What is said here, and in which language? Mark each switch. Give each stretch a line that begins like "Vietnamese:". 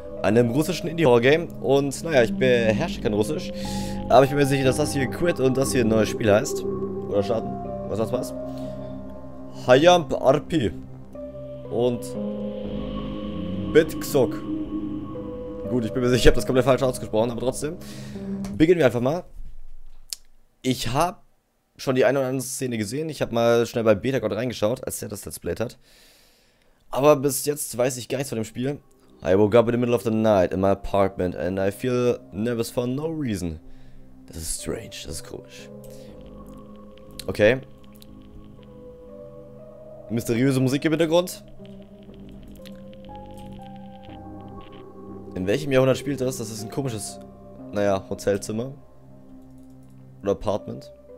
German: Einem russischen Indie-Horror-Game und naja, ich beherrsche kein Russisch. Aber ich bin mir sicher, dass das hier Quit und das hier ein neues Spiel heißt. Oder Schaden, was das war's. Hayamp Arpi. Und Bitxok. Gut, ich bin mir sicher, ich habe das komplett falsch ausgesprochen, aber trotzdem. Beginnen wir einfach mal. Ich habe schon die eine oder andere Szene gesehen. Ich habe mal schnell bei Betagod reingeschaut, als der das Let's Played hat. Aber bis jetzt weiß ich gar nichts von dem Spiel.
English: I woke up in the middle of the night in my apartment and I feel nervous for no reason.
German: Das ist strange, das ist komisch. Okay. Mysteriöse Musik im Hintergrund. In welchem Jahrhundert spielt das? Das ist ein komisches, naja, Hotelzimmer. Oder Apartment.